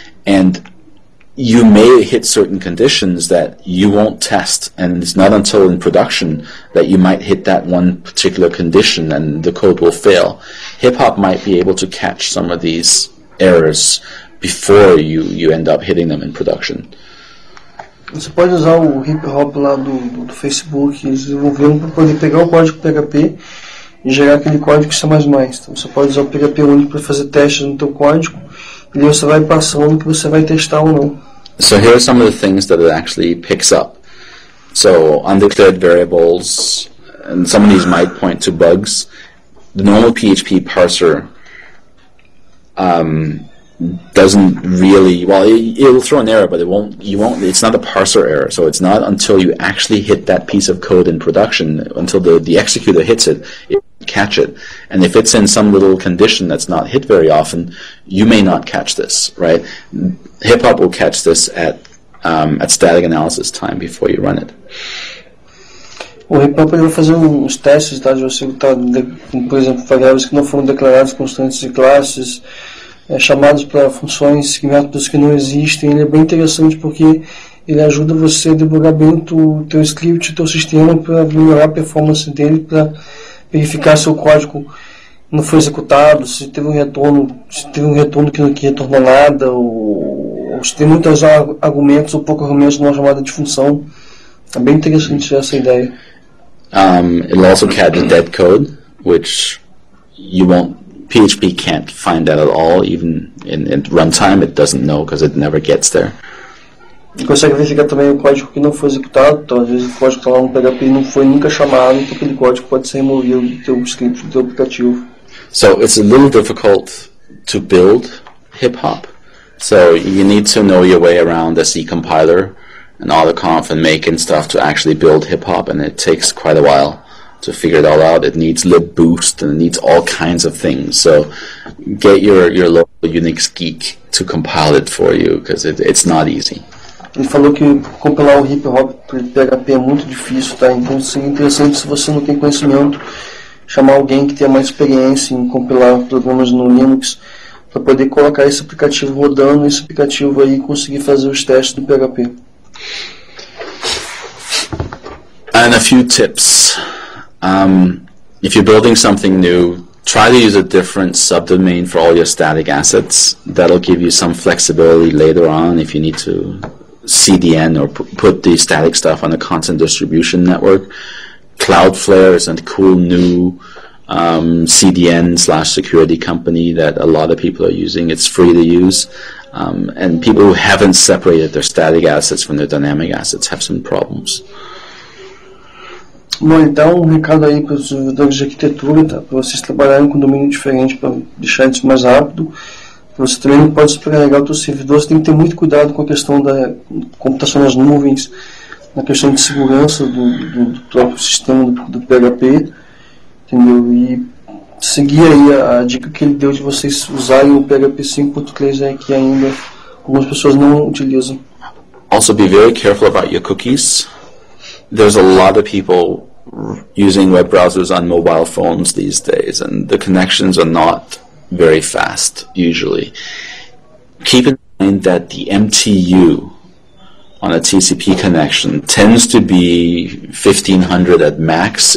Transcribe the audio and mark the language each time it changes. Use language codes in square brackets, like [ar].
[en] And you may hit certain conditions that you won't test, and it's not until in production that you might hit that one particular condition and the code will fail. Hip hop might be able to catch some of these errors before you end up hitting them in production. [pt] Você pode usar o hip hop lá do Facebook desenvolvendo para poder pegar o código PHP e gerar aquele código C++. Então você pode usar o PHP único para fazer testes no teu código. [en] So here are some of the things that it actually picks up. So undeclared variables, and some of these might point to bugs. The normal PHP parser doesn't really, well, it'll throw an error, but it's not a parser error. So it's not until you actually hit that piece of code in production, until the executor hits it, catch it. And if it's in some little condition that's not hit very often, you may not catch this, right? Hip hop will catch this at static analysis time before you run it. [pt] O hip hop vai fazer uns testes, tá, de você tá, por exemplo, variáveis que não foram declaradas, constantes e classes, chamados para funções e métodos que não existem. Ele é bem interessante porque ele ajuda você a debugar bem o teu script, o teu sistema, para melhorar a performance dele, para verificar se o código não foi executado, se teve um retorno que não retornou nada, ou se tem muitos argumentos ou poucos argumentos numa chamada de função. É bem interessante essa ideia. [en] It also catch the dead code, which you won't, PHP can't find that at all, even in runtime, it doesn't know because it never gets there. [pt] Consegue verificar também o código que não foi executado, então às vezes o código está lá no PHP e não foi nunca chamado, então aquele código pode ser removido do teu script, do teu aplicativo. [en] So it's a little difficult to build hip hop. So you need to know your way around the C compiler and autoconf and make and stuff to actually build hip hop, and it takes quite a while to figure it all out. It needs libboost and it needs all kinds of things. So get your local Unix geek to compile it for you, because it's not easy. [pt] Ele falou que compilar o hip hop para PHP é muito difícil, tá? Então seria interessante, se você não tem conhecimento, chamar alguém que tenha mais experiência em compilar programas no Linux para poder colocar esse aplicativo rodando, esse aplicativo aí conseguir fazer os testes do PHP. [en] And a few tips. If you're building something new, try to use a different subdomain for all your static assets. That'll give you some flexibility later on if you need to CDN or put the static stuff on a content distribution network. Cloudflare is a cool new CDN/security company that a lot of people are using. It's free to use. And people who haven't separated their static assets from their dynamic assets have some problems. [pt] Bom, então um recado aí para os desenvolvedores de arquitetura, tá? Para vocês trabalharem com domínio diferente para deixar isso mais rápido. Você também não pode sobrecarregar o seu servidor, você tem que ter muito cuidado com a questão da computação nas nuvens, na questão de segurança do próprio sistema do PHP, entendeu? E seguir aí a dica que ele deu de vocês usarem o PHP 5.3, né, que ainda algumas pessoas não utilizam. [en] Also be very careful about your cookies. There's a lot of people using web browsers on mobile phones these days, and the connections are not very fast, usually. Keep in mind that the MTU on a TCP connection tends to be 1500 at max.